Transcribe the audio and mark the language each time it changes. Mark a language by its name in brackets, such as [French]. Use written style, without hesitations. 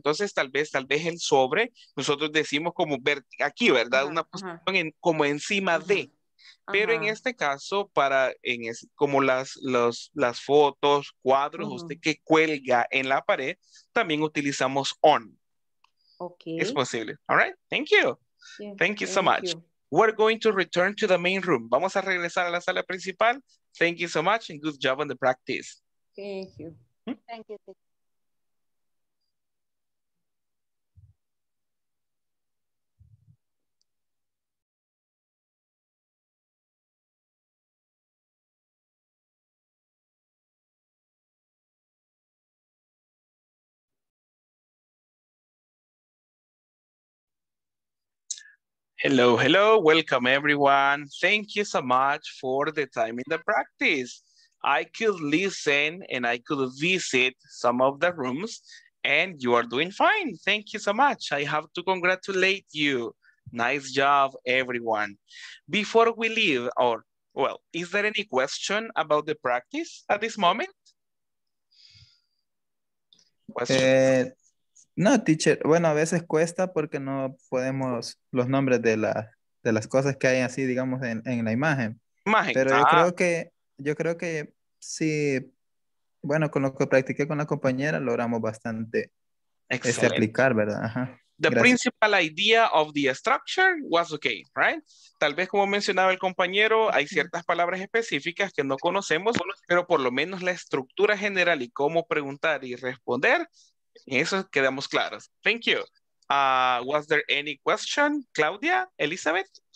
[Spanish] Entonces, tal vez el sobre, nosotros decimos como ver aquí, ¿verdad? Uh-huh. Una posición en, como encima uh-huh. de. Pero uh-huh. en este caso, para en es, como las fotos, cuadros, uh-huh. usted que cuelga en la pared, también utilizamos on. Okay. Es posible. [English] All right, thank you. Yeah. Thank you so much. We're going to return to the main room. [Spanish] Vamos a regresar a la sala principal. [English] Thank you so much and good job on the practice. Thank you. Hmm? Thank you. Hello, hello, welcome everyone. Thank you so much for the time in the practice. I could listen and I could visit some of the rooms and you are doing fine. Thank you so much. I have to congratulate you. Nice job, everyone. Before we leave, or well, is there any question about the practice at this moment? Question? No, teacher. [Spanish] Bueno, a veces cuesta porque no podemos los nombres de las cosas que hay así, digamos, en la imagen. Imagen. Pero ah. yo creo que sí, bueno, con lo que practiqué con la compañera, logramos bastante este aplicar, ¿verdad? Ajá. The Gracias. [English] Principal idea of the structure was okay, right? [Spanish] Tal vez como mencionaba el compañero, hay ciertas palabras específicas que no conocemos, pero por lo menos la estructura general y cómo preguntar y responder... Eso quedamos claros. [English] Thank you. Was there any question, Claudia, Elizabeth?